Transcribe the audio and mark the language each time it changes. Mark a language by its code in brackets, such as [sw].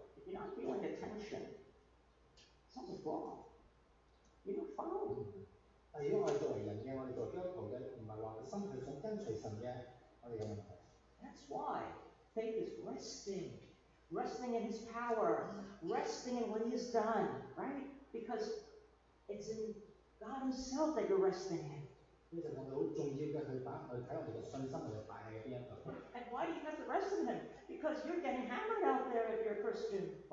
[en] If you're not feeling the tension, something's wrong. You're not following. [yue] 但係如果我哋作為人嘅，我哋做基督徒嘅，唔係話心係想跟隨神嘅，我哋有問題。 [en] That's why faith is resting, resting in His power, resting in what He has done, right? Because it's in God Himself that you're resting in. [yue] 呢就係我哋好重要嘅去擺，去睇我哋嘅信心係擺喺邊一度。 [en] And why do you have to rest in Him? Because you're getting hammered out there if you're a Christian.